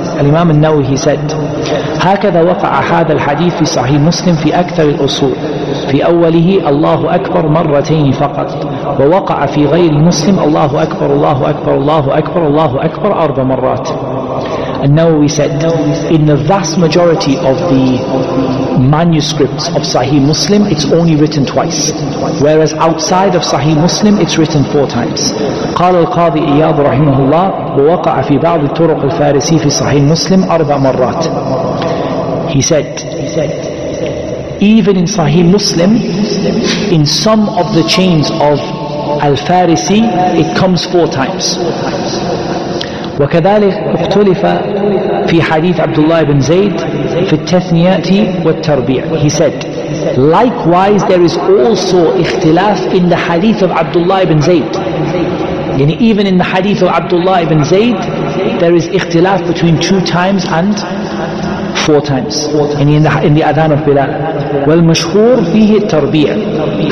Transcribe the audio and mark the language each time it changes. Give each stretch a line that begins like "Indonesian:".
Arabic: Al-Imam An-Nawawi,
English: he said,
Arabic: هَكَذَا وَقَعَ هَذَا الْحَدِيثِ فِي صَحِيْهِ مُسْلِمْ فِي أَكْثَرِ الْأُصُولِ فِي أَوَّلِهِ اللَّهُ أَكْبَرُ مَرَّتَيْنِ فَقَطْ وَوَقَعَ فِي غَيْرِ مُسْلِمٍ اللَّهُ أَكْبَرُ اللَّهُ أَكْبَرُ اللَّهُ أَكْبَرُ اللَّهُ أَكْبَرُ أَرْبَعَ مَرَّاتٍ.
English: And Nawawi said, in the vast majority of the manuscripts of Sahih Muslim, it's only written twice. Whereas outside of Sahih Muslim, it's written four times.
Arabic: قال القاضي إياد رحمه الله ووقع في بعض الطرق الفارسي في صحيح مسلم أربع مرات.
English: He said, even in Sahih Muslim, in some of the chains of Al-Farisi, it comes four times.
Arabic: وكذلك اختلف في حديث عبد الله بن زيد في التثنيات والتربيع.
English: He said, likewise, there is also اختلاف in the hadith of Abdullah ibn Zayd. يعني even in the hadith of Abdullah ibn Zayd, there is اختلاف between two times and four times. يعني in the adhan of Bilal.
Arabic: والمشهور فيه التربيع.